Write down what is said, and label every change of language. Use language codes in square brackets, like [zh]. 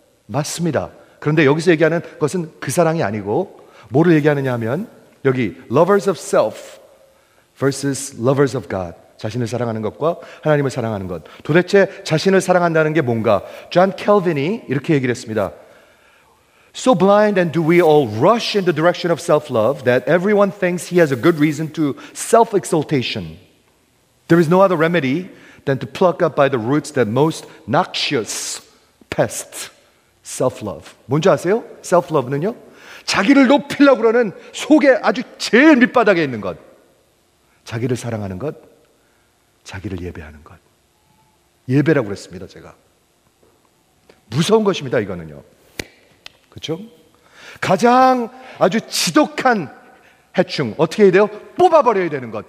[ko] 맞습니다. 그런데 여기서 얘기하는 것은 그 사랑이 아니고 뭐를 얘기하느냐 하면 여기 [en] lovers of self versus lovers of God, [ko] 자신을 사랑하는 것과 하나님을 사랑하는 것. 도대체 자신을 사랑한다는 게 뭔가? 존 켈빈이 이렇게 얘기를 했습니다. [en] So blind and do we all rush in the direction of self-love that everyone thinks he has a good reason to self-exaltation. There is no other remedy than to pluck up by the roots that most noxious pest, self-love. [ko] 뭔지 아세요? Self-love는요? 자기를 높이려고 그러는 속에 아주 제일 밑바닥에 있는 것. 자기를 사랑하는 것, 자기를 예배하는 것. 예배라고 그랬습니다, 제가. 무서운 것입니다, 이거는요. 그렇죠? 가장 아주 지독한 해충, 어떻게 해야 돼요? 뽑아버려야 되는 것.